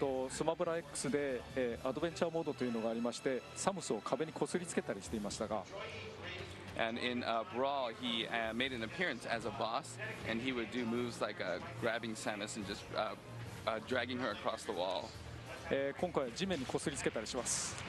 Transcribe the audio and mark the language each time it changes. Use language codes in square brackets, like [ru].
[ja] スマブラ X で、アドベンチャーモードというのがありまして、サムスを壁にこすりつけたりしていましたが。 [en] And in Brawl, he made an appearance as a boss, and he would do moves like grabbing Samus and just dragging her across the wall. [ja] 今回は地面にこすりつけたりします。